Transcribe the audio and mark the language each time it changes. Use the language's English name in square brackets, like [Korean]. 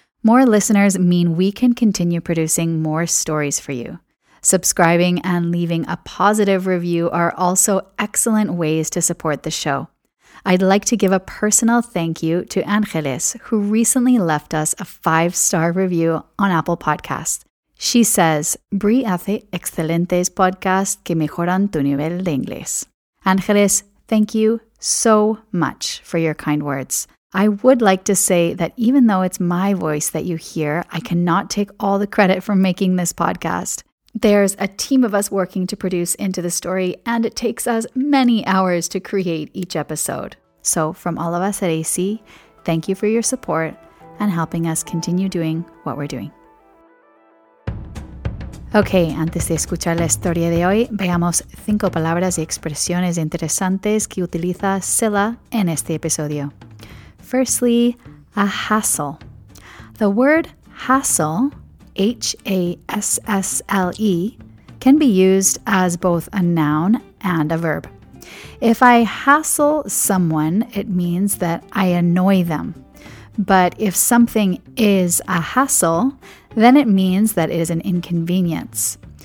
[English] More listeners mean we can continue producing more stories for you. Subscribing and leaving a positive review are also excellent ways to support the show. I'd like to give a personal thank you to Angeles, who recently left us a 5-star review on Apple Podcasts. She says, [Spanish] Bri hace excelentes podcasts que mejoran tu nivel de inglés. [English] Angeles, thank you so much for your kind words. I would like to say that even though it's my voice that you hear, I cannot take all the credit for making this podcast. There's a team of us working to produce Into the Story, and it takes us many hours to create each episode. So from all of us at AC, thank you for your support and helping us continue doing what we're doing. [Spanish] Ok, antes de escuchar la historia de hoy, veamos 5 palabras y expresiones interesantes que utiliza Scylla en este episodio. [English] Firstly, a hassle. The word hassle, H-A-S-S-L-E, can be used as both a noun and a verb. If I hassle someone, it means that I annoy them. But if something is a hassle, then it means that it is an inconvenience.